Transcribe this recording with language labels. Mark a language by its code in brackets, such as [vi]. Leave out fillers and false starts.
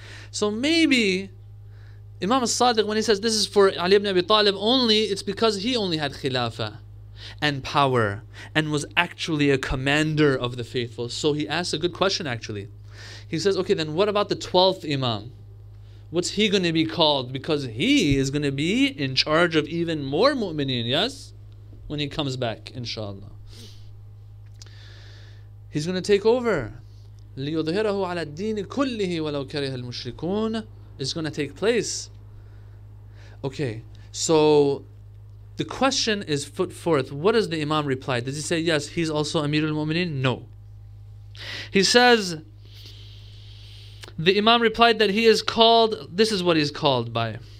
[en] So maybe Imam al-Sadiq, when he says this is for Ali ibn Abi Talib only, it's because he only had khilafah and power and was actually a commander of the faithful. So he asks a good question, actually. He says, okay, then what about the 12th imam? What's he going to be called? Because he is going to be in charge of even more mu'mineen, yes? When he comes back, inshallah. He's going to take over. [ar] لِيُظْهِرَهُ عَلَى الدِّينِ كُلِّهِ وَلَوْ كَرِهَ الْمُشْرِكُونَ [en] is going to take place. Okay, so the question is put forth. What does the imam reply? Does he say, yes, he's also Amir al-Mu'mineen? No. He says, the imam replied that he is called, this is what he's called by.